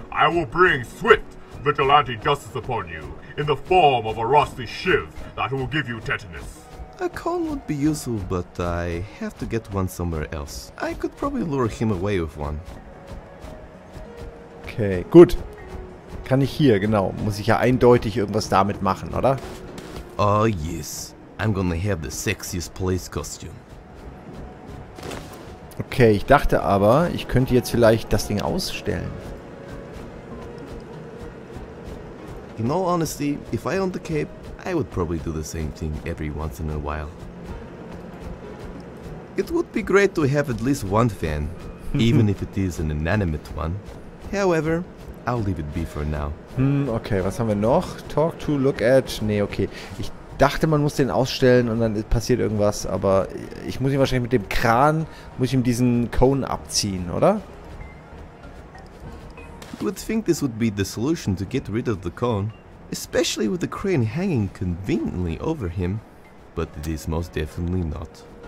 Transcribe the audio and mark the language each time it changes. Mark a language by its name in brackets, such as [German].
[English] I will bring swift vigilante justice upon you in the form of a rusty shiv that will give you tetanus. A cone would be useful, but I have to get one somewhere else. I could probably lure him away with one. [German] Okay, gut. Kann ich hier, genau. Muss ich ja eindeutig irgendwas damit machen, oder? [English] Oh yes. I'm gonna have the sexiest police costume. [German] Okay, ich dachte aber, ich könnte jetzt vielleicht das Ding ausstellen. [English] In all honesty, if I owned the cape, I would probably do the same thing every once in a while. It would be great to have at least one fan, even if it is an inanimate one. However, I'll leave it be for now. [German] Hm, okay, was haben wir noch? [English] Talk to, look at, [German] nee, okay. Ich dachte, man muss den ausstellen und dann passiert irgendwas, aber ich muss ihn wahrscheinlich mit dem Kran, muss ich ihm diesen Cone abziehen, oder? [English] You would think this would be the solution to get rid of the cone, especially with the crane hanging conveniently over him, but it is most definitely not.